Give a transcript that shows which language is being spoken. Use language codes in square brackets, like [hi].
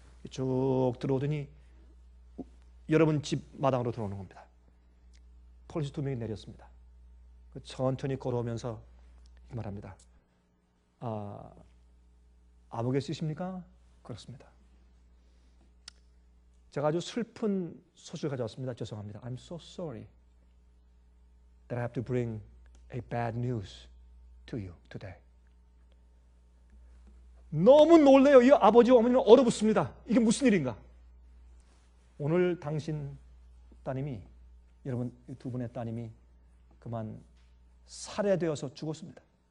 [ko] 쭉 들어오더니 여러분 집 마당으로 들어오는 겁니다. 폴리스 두 명이 내렸습니다. 천천히 걸어오면서 말합니다. 아, 아무개 쓰십니까? 그렇습니다. 제가 아주 슬픈 소식을 가져왔습니다. 죄송합니다. [en] I'm so sorry that I have to bring a bad news to you today. [ko] 너무 놀래요. 이 아버지와 어머니는 얼어붙습니다. 이게 무슨 일인가? 오늘 당신 따님이 여러분 두 분의 따님이 그만 살해되어서 죽었습니다.